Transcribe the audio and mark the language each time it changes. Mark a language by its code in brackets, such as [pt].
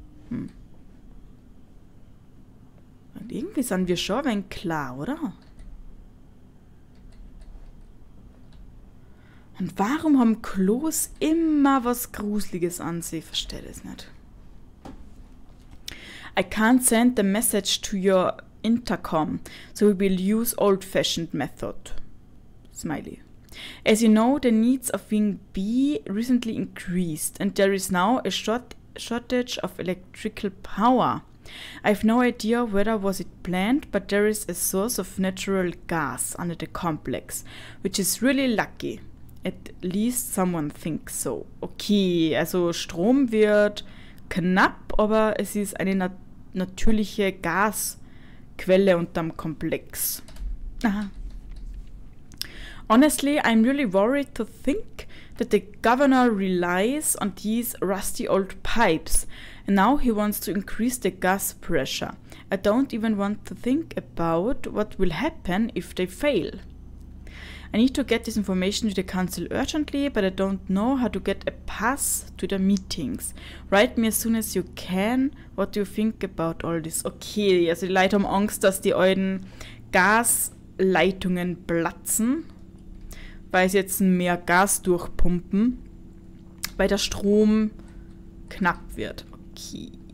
[de] Und irgendwie sind wir schon ein wenig klar, oder? Und warum haben Klos immer was Gruseliges an sich? Ich verstehe das nicht. [en] I can't send the message to your intercom, so we will use old-fashioned method. Smiley. As you know, the needs of Wing B recently increased, and there is now a shortage of electrical power. I have no idea whether was it planned, but there is a source of natural gas under the complex, which is really lucky. At least someone thinks so. [de] Okay, also Strom wird knapp, aber es ist eine natürliche Gasquelle unterm Komplex. Aha. [en] Honestly, I'm really worried to think that the governor relies on these rusty old pipes, and now he wants to increase the gas pressure. I don't even want to think about what will happen if they fail. I need to get this information to the council urgently, but I don't know how to get a pass to the meetings. Write me as soon as you can. What do you think about all this? [de] Okay, also die Leute haben Angst, dass die alten Gasleitungen platzen, weil sie jetzt mehr Gas durchpumpen, weil der Strom knapp wird. Okay.